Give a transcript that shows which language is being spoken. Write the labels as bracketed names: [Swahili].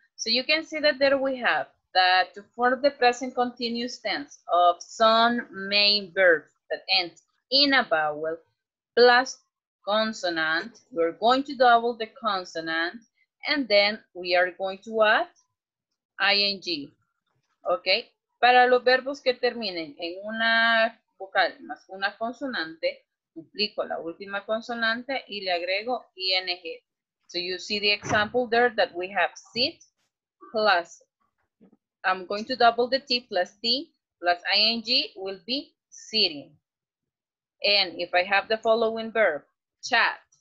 [English] So you can see that there we have that to form the present continuous tense of some main verb that ends in a vowel plus consonant, we're going to double the consonant and then we are going to add ING. [Spanish] Okay, para los verbos que terminen en una vocal más una consonante, duplico la última consonante y le agrego ing. [English] So you see the example there that we have sit plus, I'm going to double the T plus ing will be sitting. And if I have the following verb, chat,